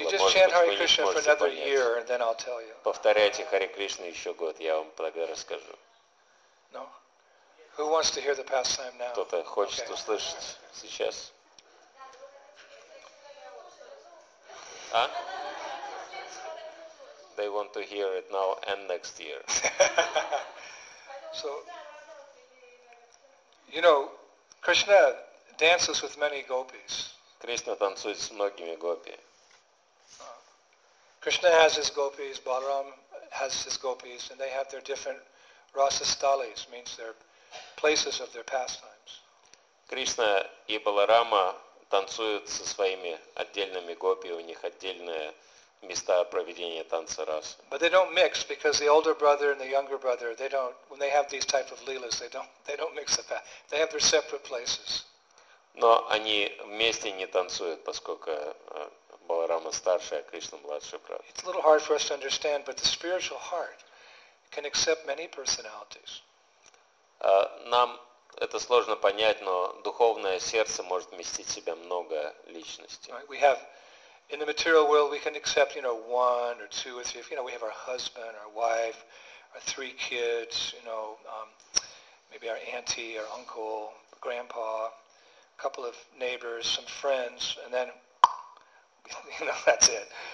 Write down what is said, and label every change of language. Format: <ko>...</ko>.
<en>You just chant Hare Krishna for another year, and then I'll tell you.</en> <ru>Повторяйте Харе Кришну еще год, я вам тогда расскажу.</ru> <en>No. Who wants to hear the pastime now?</en> <ru>Кто-то хочет услышать сейчас. А?</ru> <en>They want to hear it now and next year. So, you know, Krishna dances with many gopis.</en> <ru>Krishna танцует с многими гопи.</ru> <en>Krishna has his gopis, Balaram has his gopis, and they have their different rasasthalis, means their places of their pastimes.</en> <ru>Krishna и Баларама танцуют со своими отдельными гопи, у них отдельные места проведения танца раса.</ru> <en>But they don't mix because the older brother and the younger brother, they don't, when they have these type of leelas, they don't mix the path. They have their separate places.</en> <ru>Но они вместе не танцуют, поскольку Баларама старший, а Кришна младший брат.</ru> <en>It's a little hard for us to understand, but the spiritual heart can accept many personalities.</en> <ru>Нам это сложно понять, но духовное сердце может вместить в себя много личностей.</ru> <en>Right, we have in the material world, we can accept, you know, one or two or three. You know, we have our husband, our wife, our three kids, you know, maybe our auntie, our uncle, grandpa, a couple of neighbors, some friends, and then, you know, that's it.</en>